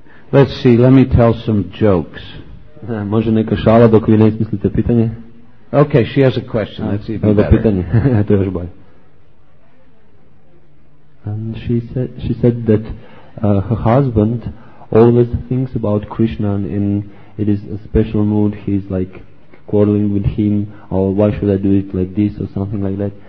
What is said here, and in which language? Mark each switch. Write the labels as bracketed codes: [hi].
[en] Let's see, let me tell some jokes. [hr] Može neka šala dok vi ne izmislite pitanje? [en] Okay, she has a question, let's see if better. [hr] Pitanje, to je još bolje. [en] And she said that her husband always thinks about Krishna and it is a special mood, he's like quarreling with him, or why should I do it like this or something like that.